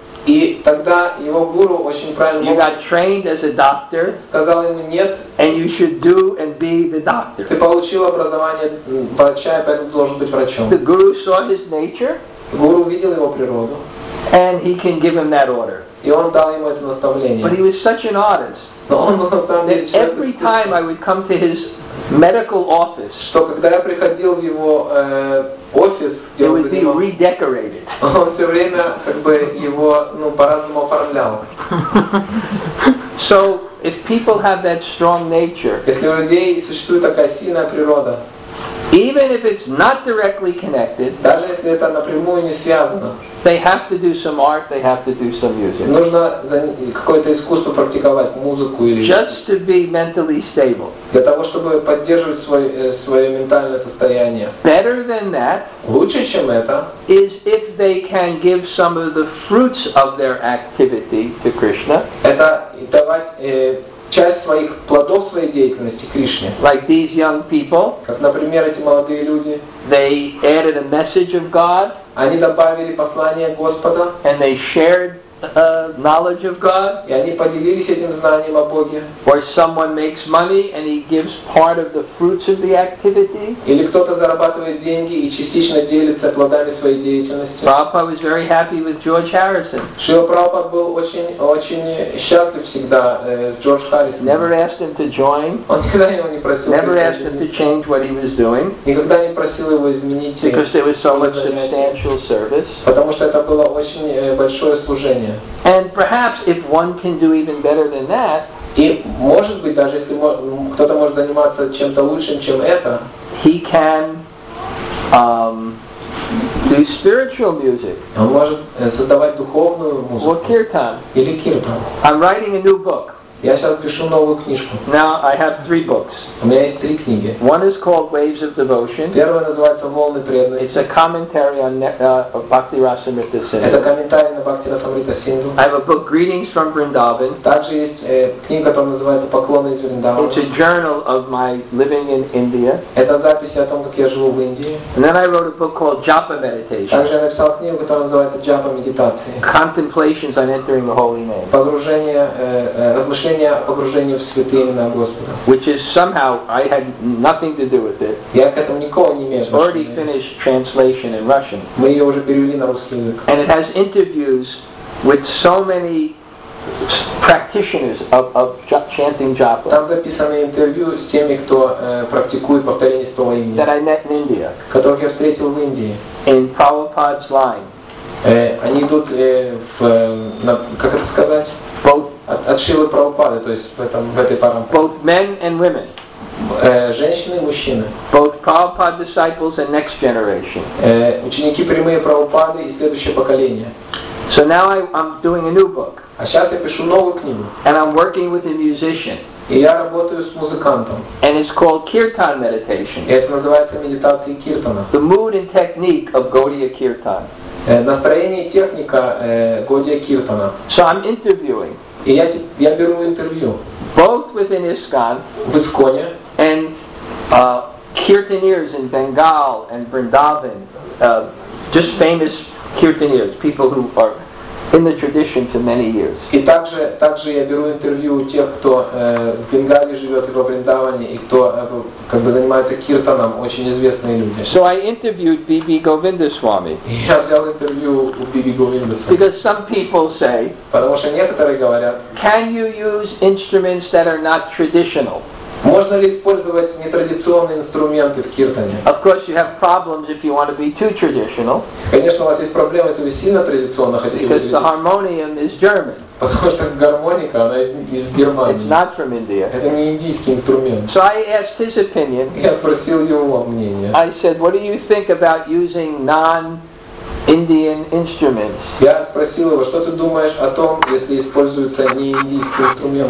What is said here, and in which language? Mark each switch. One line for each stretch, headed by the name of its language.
Russian: И тогда его гуру очень правильно.
English: You got trained as a doctor.
Russian: Сказал ему нет.
English: And you should do and be the doctor.
Russian: Ты получил образование врача, поэтому должен быть врачом.
English: The guru saw his nature.
Russian: Гуру увидел его природу.
English: And he can give him that order.
Russian: И он дал ему это наставление.
English: But he was such an artist.
Russian: Но он был на самом деле человек.
English: Every time I would come to his medical office.
Russian: Что когда я приходил в его офис, где
English: it would be redecorated.
Russian: Он все время как бы его по-разному оформлял.
English: So if people have that strong nature,
Russian: если у людей существует такая сильная природа,
English: even if it's not directly connected,
Russian: даже если это напрямую не связано,
English: they have to do some art, they have to do some music.
Russian: Нужно какое-то искусство практиковать, музыку или.
English: Just to be mentally stable.
Russian: Для того чтобы поддерживать свое ментальное состояние.
English: Better than that.
Russian: Лучше чем это.
English: Is if they can give some of the fruits of their activity to Krishna.
Russian: Это давать часть своих плодов своей деятельности Кришне.
English: Like these young people,
Russian: как, например, эти молодые люди,
English: they added a message of God,
Russian: они добавили послание Господа,
English: and they shared knowledge of God,
Russian: и они поделились этим знанием о Боге.
English: Or someone makes money and he gives part of the fruits of the activity.
Russian: Или кто-то зарабатывает деньги и частично делится плодами своей деятельности.
English: Prabhupada was very happy with George Harrison.
Russian: Шрила Прабхупада был очень счастлив всегда с Джордж Харрисоном.
English: Never asked him to join.
Russian: Он никогда его не просил.
English: Never asked him to change what he was doing.
Russian: Никогда не просил его изменить.
English: Because there was so much substantial service.
Russian: Потому что это было очень большое служение.
English: And perhaps if one can do even better than that,
Russian: и может быть даже если кто-то может заниматься чем-то лучшим, чем это,
English: he can do spiritual music.
Russian: Он может создавать духовную музыку.
English: Or kirtan.
Russian: Или kirtan.
English: I'm writing a new book.
Russian: Я сейчас пишу новую книжку.
English: Now I have three books.
Russian: У меня есть три книги.
English: One is called Waves of Devotion.
Russian: Первая называется «Волны преданности».
English: It's a commentary on Bhakti Rasamrita Sindhu.
Russian: Это комментарий на Бхакти Расамрита Синдху.
English: I have a book «Greetings from Vrindavan».
Russian: Также есть книга, которая называется «Поклоны из Вриндавана».
English: It's a journal of my living in India.
Russian: Это записи о том, как я живу в Индии.
English: And then I wrote a book called «Japa Meditation».
Russian: Также я написал книгу, которая называется «Japa Meditation».
English: Contemplations on entering the holy name.
Russian: Погружение, размышления. Погружение в святые имена Господа.
English: Which is somehow I had nothing to do with it.
Russian: Я к этому никого не имею.
English: Already finished translation in Russian.
Russian: Мы ее уже перевели на русский язык.
English: And it has interviews with so many practitioners of chanting japa.
Russian: Там записаны интервью с теми, кто практикует повторение святого имени.
English: That I met in India.
Russian: Которых я встретил в Индии.
English: In Prabhupada's line.
Russian: Они идут как это сказать?
English: Both.
Russian: От Шрилы Прабхупады, то есть в этой парампаре.
English: Both men and women.
Russian: Женщины и мужчины.
English: Both Prabhupada disciples and next generation.
Russian: Ученики прямые Прабхупады и следующее поколение.
English: So now I'm doing a new book.
Russian: А сейчас я пишу новую книгу.
English: And I'm working with a musician.
Russian: И я работаю с музыкантом.
English: And it's called Kirtan Meditation.
Russian: И это называется медитацией Киртана.
English: The mood and technique of Gaudiya Kirtan.
Russian: Настроение и техника Gaudiya Kirtana.
English: So I'm interviewing.
Russian: И я беру интервью.
English: Both within ISKCON,
Russian: в ИСККОНе,
English: and kirtaneers in Bengal and Vrindavan, just famous kirtaneers, people who are in the tradition for many years.
Russian: И также я беру интервью у тех, кто в Бенгале живет и во Вриндаване, и кто как бы занимается киртаном, очень известные люди.
English: So I interviewed B.B. Govindaswamy.
Russian: Я взял интервью у B.B. Govindaswamy.
English: Because some people say,
Russian: потому что некоторые говорят,
English: can you use instruments that are not traditional?
Russian: Можно ли использовать нетрадиционные инструменты в киртане?
English: Of course you have problems if you want to be too traditional.
Russian: Конечно, у вас есть проблемы, если вы сильно традиционно хотите.
English: Because the harmonium is German.
Russian: Потому что гармоника, она из Германии.
English: It's not from India.
Russian: Это не индийский инструмент.
English: So I asked his opinion.
Russian: Я спросил его мнение.
English: I said, what do you think about using non-Indian instruments?
Russian: Я спросил его, что ты думаешь о том, если используются не индийские инструменты?